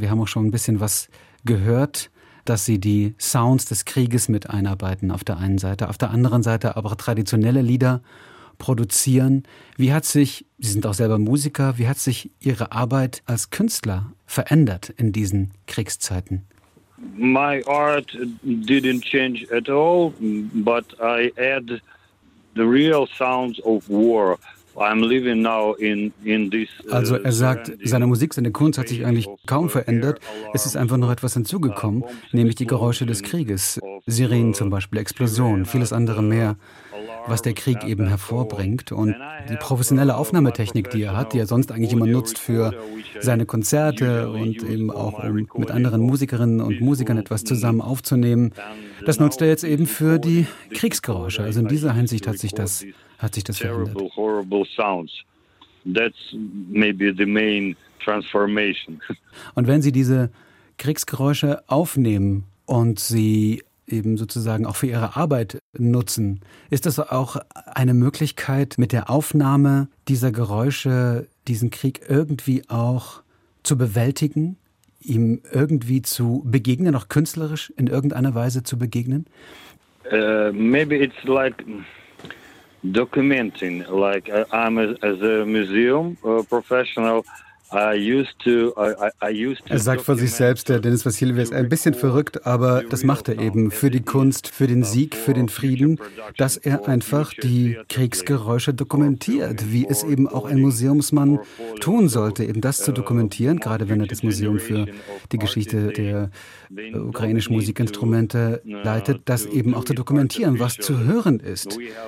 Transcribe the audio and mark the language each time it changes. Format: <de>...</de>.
<de>Wir haben auch schon ein bisschen was gehört, dass sie die Sounds des Krieges mit einarbeiten auf der einen Seite, auf der anderen Seite aber traditionelle Lieder produzieren. Wie hat sich, Sie sind auch selber Musiker, wie hat sich Ihre Arbeit als Künstler verändert in diesen Kriegszeiten?</de> <en>My art didn't change at all, but I add the real sounds of war. I'm living now in this.</en> <de>Also er sagt, seine Musik, seine Kunst hat sich eigentlich kaum verändert. Es ist einfach noch etwas hinzugekommen, nämlich die Geräusche des Krieges. Sirenen zum Beispiel, Explosionen, vieles andere mehr, was der Krieg eben hervorbringt. Und die professionelle Aufnahmetechnik, die er hat, die er sonst eigentlich immer nutzt für seine Konzerte und eben auch um mit anderen Musikerinnen und Musikern etwas zusammen aufzunehmen, das nutzt er jetzt eben für die Kriegsgeräusche. Also in dieser Hinsicht hat sich das verändert.</de> <en>Terrible, horrible sounds. That's maybe the main transformation.</en> <de>Und wenn Sie diese Kriegsgeräusche aufnehmen und sie eben sozusagen auch für Ihre Arbeit nutzen, ist das auch eine Möglichkeit, mit der Aufnahme dieser Geräusche diesen Krieg irgendwie auch zu bewältigen, ihm irgendwie zu begegnen, auch künstlerisch in irgendeiner Weise zu begegnen?</de> <en>Maybe it's like documenting, like I'm as a museum professional.</en> <de>Er sagt vor sich selbst, der Denis Vassiljev ist ein bisschen verrückt, aber das macht er eben für die Kunst, für den Sieg, für den Frieden, dass er einfach die Kriegsgeräusche dokumentiert, wie es eben auch ein Museumsmann tun sollte, eben das zu dokumentieren, gerade wenn er das Museum für die Geschichte der ukrainischen Musikinstrumente leitet, das eben auch zu dokumentieren, was zu hören ist.</de>